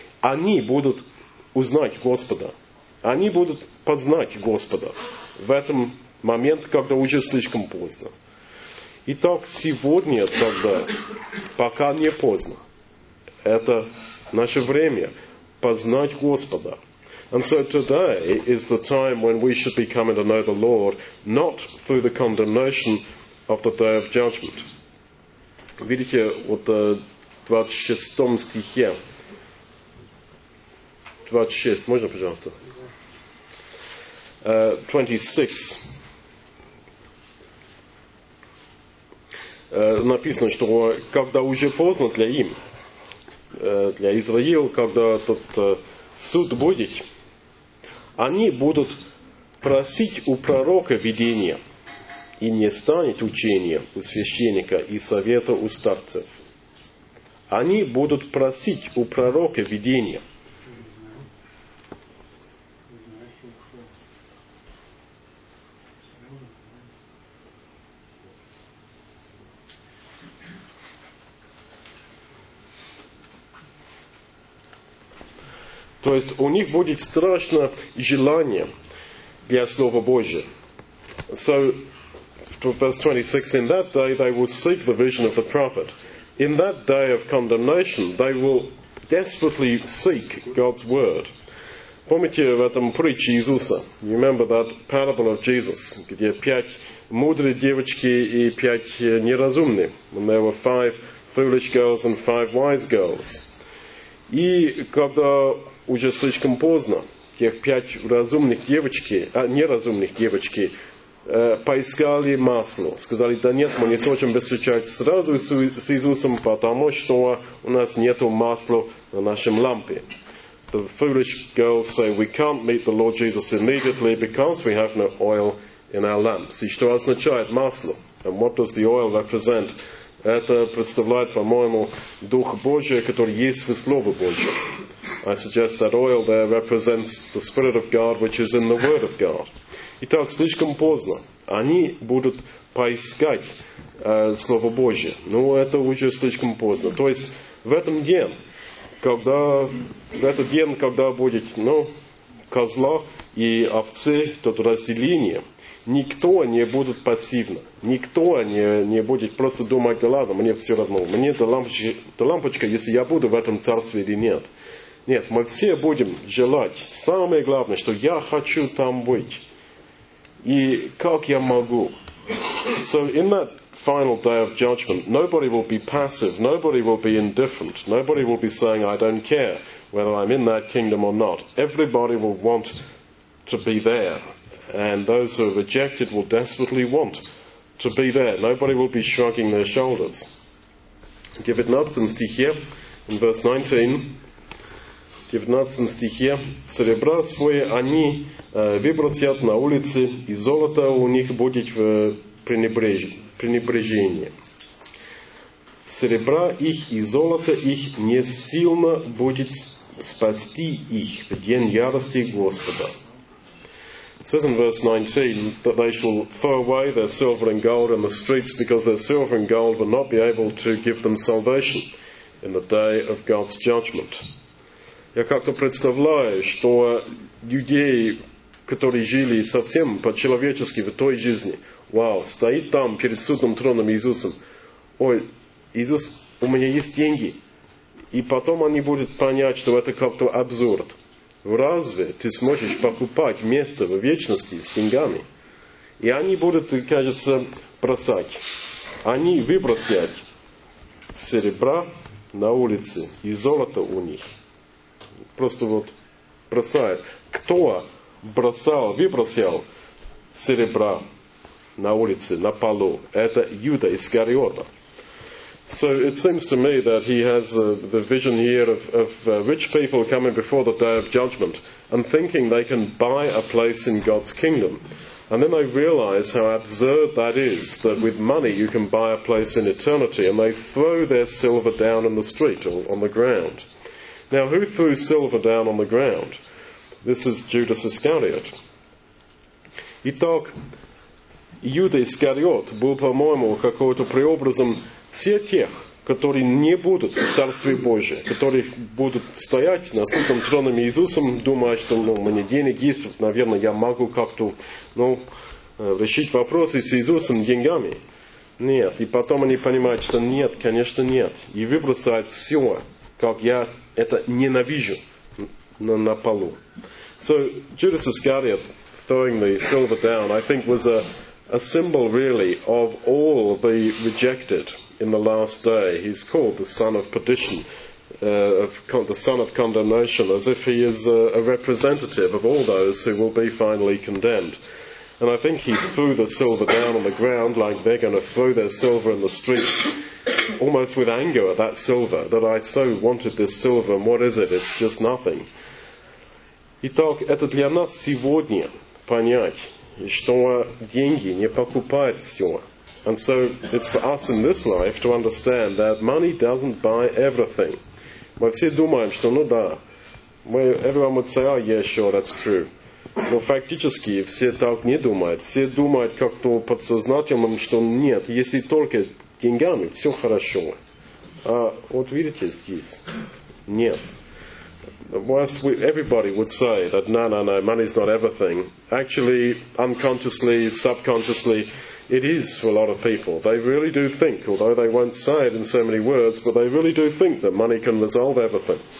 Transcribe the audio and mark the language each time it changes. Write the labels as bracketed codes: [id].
[ru] Они будут узнать Господа. Они будут познать Господа в этом момент, когда уже слишком поздно. Итак, сегодня тогда, пока не поздно, это наше время познать Господа. [en] And so today is the time when we should be coming to know the Lord, not through the condemnation of the day of judgment. [ru] Видите, вот в 26 стихе, 26, можно, пожалуйста? 26. Написано, что когда уже поздно для им, для Израил, когда тот суд будет, они будут просить у пророка видения, и не станет учения у священника и совета у старцев. Они будут просить у пророка видения. То есть у них будет страшное желание для Слова Божия. [en] So, verse 26, in that day they will seek the vision of the prophet. In that day of condemnation, they will desperately seek God's word. [ru] Помните в этом притче Иисуса? [en] You remember that parable of Jesus, [ru] где пять мудрые девочки и пять неразумные. [en] And there were five foolish girls and five wise girls. [ru] И когда уже слишком поздно, тех пять разумных девочки, неразумных девочки, поискали масло. Сказали, да нет, мы не сможем встречать сразу с Иисусом, потому что у нас нету масла на нашем лампе. [en] The foolish girls say, we can't meet the Lord Jesus immediately because we have no oil in our lamps. [ru] И что означает масло? [en] And what does the oil represent? [ru] Это представляет, по-моему, Дух Божий, который есть в Слове Божьем. [en] I suggest that oil there represents the Spirit of God, which is in the Word of God. [ru] Итак, слишком поздно. Они будут поискать Слово Божие. Но это уже слишком поздно. То есть, в этот день, когда будет, козла и овцы, то разделение, никто не будет пассивно. Никто не будет просто думать, да ладно, мне все равно. Мне лампочка, если я буду в этом царстве или нет. Нет, мы все будем желать, самое главное, что я хочу там быть. И как я могу? [en] So in that final day of judgment, nobody will be passive, nobody will be indifferent, nobody will be saying, I don't care whether I'm in that kingdom or not. Everybody will want to be there. And those who are rejected will desperately want to be there. Nobody will be shrugging their shoulders. Give it nothing, стихе, in verse 19. [ru] В 19 стихе «Серебра свои они выбросят на улице, и золото у них будет в пренебрежении. Серебра их и золото их не сильно будет спасти их в день ярости Господа». It says in verse 19 that they shall throw away their silver and gold in the streets because their silver and gold will not be able to give them salvation in the day of God's judgment. Я как-то представляю, что людей, которые жили совсем по-человечески в той жизни, вау, стоит там перед судным троном Иисусом. Ой, Иисус, у меня есть деньги. И потом они будут понять, что это как-то абсурд. разве ты сможешь покупать место в вечности с деньгами? И они будут, кажется, бросать. Они выбросят серебра на улице и золото у них. Просто вот бросают. Кто бросал, выбросил серебра на улице, на полу? Это Юда Искариота. [en] So it seems to me that he has the vision here of rich people coming before the day of judgment and thinking they can buy a place in God's kingdom. And then they realize how absurd that is, that with money you can buy a place in eternity, and they throw their silver down in the street or on the ground. Now, who threw silver down on the ground? This is Judas Iscariot. [ru] Итак, Юда Искариот был, по-моему, какой-то преобразом все тех, которые не будут в Царстве Божьем, которые будут стоять на Святом Троне Иисусом, думая, что ну, у меня денег есть, наверное, я могу как-то ну, решить вопросы с Иисусом деньгами. Нет. И потом они понимают, что нет, конечно, нет. И выбросают все, как я это ненавижу на полу. [en] So, Judas Iscariot throwing the silver down, I think, was a symbol, really, of all the rejected in the last day. He's called the son of perdition, the son of condemnation, as if he is a representative of all those who will be finally condemned. And I think he threw the silver down on the ground like they're going to throw their silver in the streets, almost with anger at that silver, that I so wanted this silver, and what is it? It's just nothing. [ru] Итак, это для нас сегодня понять, что деньги не покупают все. [en] And so it's for us in this life to understand that money doesn't buy everything. [ru] Мы все думаем, что ну да, [en] everyone would say, oh yeah, sure, that's true. [ru] Но фактически все так не думают. Все думают как-то подсознательным, что нет, если только деньгами, все хорошо. А вот видите здесь, нет. [en] Whilst everybody would say that no, money's not everything, actually, unconsciously, subconsciously, it is for a lot of people. They really do think, although they won't say it in so many words, but they really do think that money can resolve everything.